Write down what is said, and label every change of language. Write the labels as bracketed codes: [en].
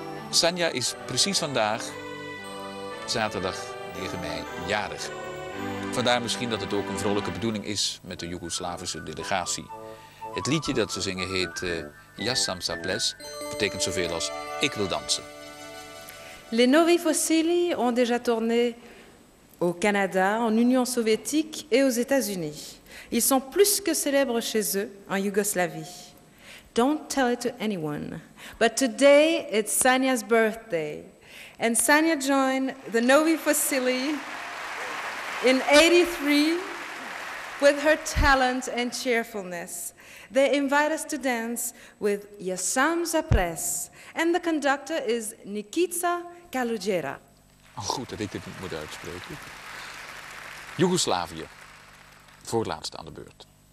[nl] Sanja is precies vandaag, zaterdag 9 mei, jarig. Vandaar misschien dat het ook een vrolijke bedoeling is met de Joegoslavische delegatie. Het liedje dat ze zingen heet Jasam Saples, betekent zoveel als ik wil dansen. [fr] Les Novi Fossili ont déjà tourné au Canada, en Union Soviétique et aux États-Unis. Ils sont plus que célèbres chez eux en Yougoslavie. [en] Don't tell it to anyone, but today it's Sanja's birthday. And Sanja joined the Novi Fossili in 83 with her talent and cheerfulness. They invite us to dance with Jasam Zapres. And the conductor is Nikica Kalugera. [nl] Oh, goed dat ik dit niet moet uitspreken. Joegoslavië, voor het laatst aan de beurt.